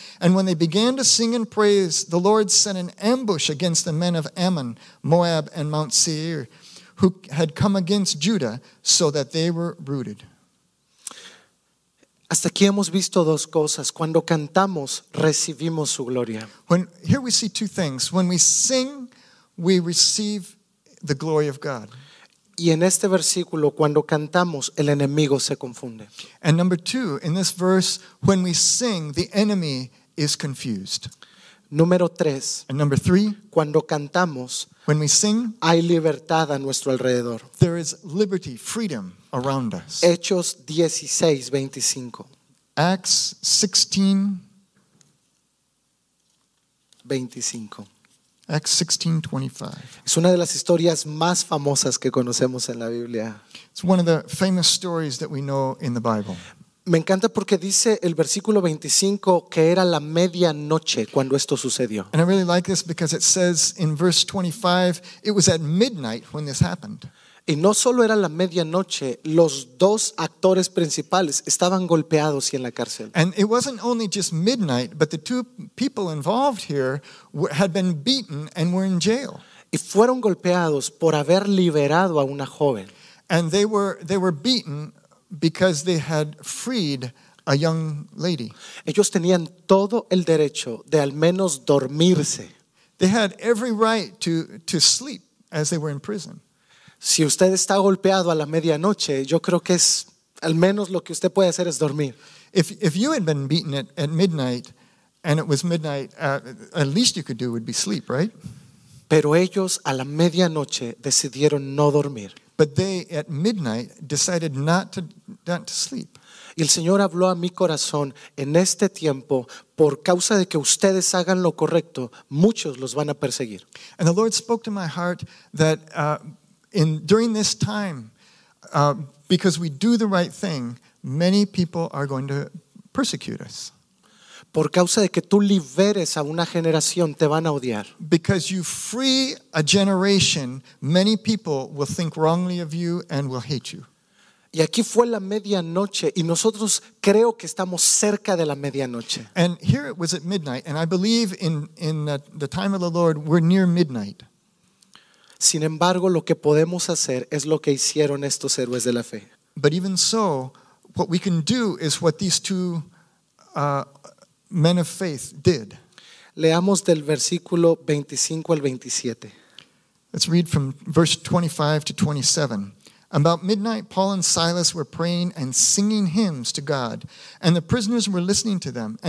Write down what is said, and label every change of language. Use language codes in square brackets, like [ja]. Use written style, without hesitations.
[en] And when they began to sing and praise, the Lord sent an ambush against the men of Ammon, Moab, and Mount Seir, who had come against Judah, so that they were rooted. [es] Hasta aquí hemos visto dos cosas. Cuando cantamos, recibimos su gloria. [en] Here we see two things. When we sing, we receive the glory of God. [es] Y en este versículo, cuando cantamos, el enemigo se confunde. [en] And number two, in this verse, when we sing, the enemy is confused. [es] Número tres. [en] And number three, [es] cuando cantamos, [en] when we sing, [es] hay libertad a nuestro alrededor. [en] There is liberty, freedom around us. [es] Hechos 16, 25. [en] Acts 16, 25. Acts 16, 25. [es] Es una de las historias más famosas que conocemos en la Biblia. [en] It's one of the famous stories that we know in the Bible. [es] Me encanta porque dice el versículo 25 que era la medianoche cuando esto sucedió. [en] And I really like this because it says in verse 25, it was at midnight when this happened. [es] Y no solo era la medianoche, los dos actores principales estaban golpeados y en la cárcel. [en] And it wasn't only just midnight, but the two people involved here had been beaten and were in jail. [es] Y fueron golpeados por haber liberado a una joven. [en] And they were beaten because they had freed a young lady. [es] Ellos tenían todo el derecho de al menos dormirse. [en] They had every right to sleep as they were in prison. [es] Si usted está golpeado a la medianoche, yo creo que es al menos lo que usted puede hacer es dormir. [en] If you had been beaten at midnight and it was midnight, at least you could do would be sleep, right? [es] Pero ellos a la medianoche decidieron no dormir. [en] But they, at midnight, decided not to sleep. [es] Y el Señor habló a mi corazón en este tiempo, por causa de que ustedes hagan lo correcto, muchos los van a perseguir. [en] And the Lord spoke to my heart that during this time, because we do the right thing, many people are going to persecute us. [es] Por causa de que tú liberes a una generación, te van a odiar. [en] Because you free a generation, many people will think wrongly of you and will hate you. [es] Y aquí fue la medianoche y nosotros creo que estamos cerca de la medianoche. [en] And here it was at midnight, and I believe in the time of the Lord we're near midnight. [es] Sin embargo, lo que podemos hacer es lo que hicieron estos héroes de la fe. [en] But even so, what we can do is what these two men of faith did. [es] Leamos del versículo 25 al 27. [en] Let's read from verse 25 to 27. About midnight, Paul and Silas were praying and singing hymns to God, and the prisoners were listening to them.